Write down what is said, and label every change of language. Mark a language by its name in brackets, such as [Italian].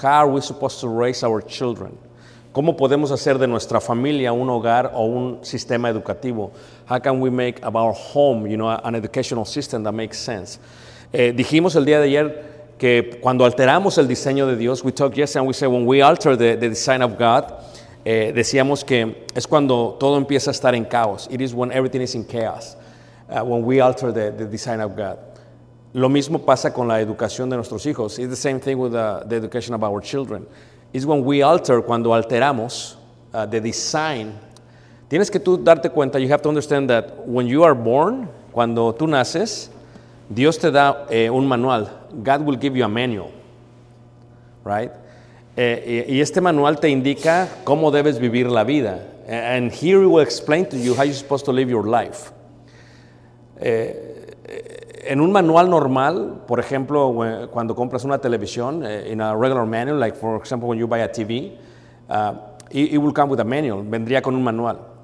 [English] How are we supposed to raise our children? [Spanish] ¿Cómo podemos hacer de nuestra familia un hogar o un sistema educativo? [English] How can we make of our home, you know, an educational system that makes sense? [Spanish] Dijimos el día de ayer que cuando alteramos el diseño de Dios, [English] we talked yesterday and we said when we alter the design of God, [Spanish] decíamos que es cuando todo empieza a estar en caos. [English] It is when everything is in chaos, when we alter the design of God. [Spanish] Lo mismo pasa con la educación de nuestros hijos. [English] It's the same thing with the education of our children. It's when we alter, [Spanish] cuando alteramos [English] the design. [Spanish] Tienes que tú darte cuenta, [English] you have to understand that when you are born, [Spanish] cuando tú naces, Dios te da un manual. [English] God will give you a manual, right? [Spanish] Y este manual te indica cómo debes vivir la vida. [English] And here he will explain to you how you're supposed to live your life. [Spanish] En un manual normal, por ejemplo, cuando compras una televisión, [English] in a regular manual, like for example when you buy a TV, it will come with a manual, [Spanish] vendría con un manual.